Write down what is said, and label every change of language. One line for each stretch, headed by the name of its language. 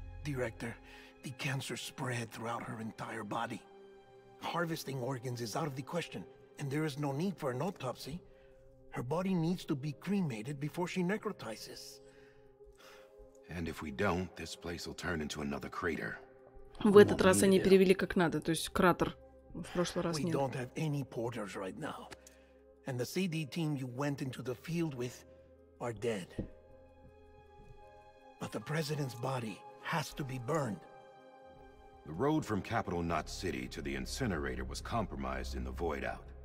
English: Director, the cancer spread throughout her entire body. Harvesting organs is out of the question, and there is no need for an autopsy. Her body needs to be cremated before she necrotizes. And if we don't, this place will turn into another crater.
Russian: В этот раз они перевели как надо, то есть кратер. В прошлый раз нет.
English: We don't have any porters right now. And the CD team you went into the field with are dead. But the president's body has to be burned. The road from Capital Knot City to the incinerator was compromised in the void out.